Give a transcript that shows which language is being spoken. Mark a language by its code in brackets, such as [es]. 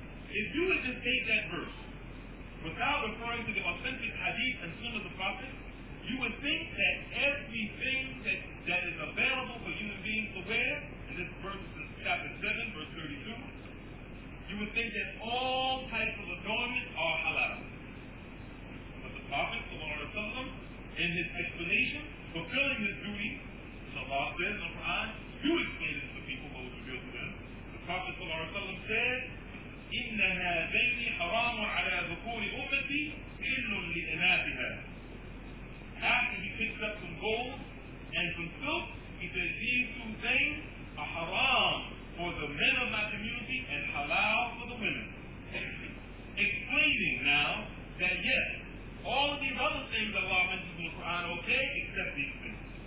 [en] If you would just take that verse without referring to the authentic hadith and sunnah of the Prophet, you would think that everything that is available for human beings to wear, and this verse is chapter 7, verse 32, you would think that all types of adornments are halal. But the Prophet, in his explanation, fulfilling his duty, Allah says in the Quran, you explain it to the people what was revealed to them. The Prophet said, [ar] إِنَّ هَذَيْنِ حَرَامُ عَلَى ذُكُورِ أُمَّتِي إِلٌّ لِإِنَاثِهَا. [en] After he picks up some gold and some silk, he says, these two things are haram for the men of my community and halal for the women. Explaining now that yes, all of these other things Allah mentions in the Quran are okay, except these things.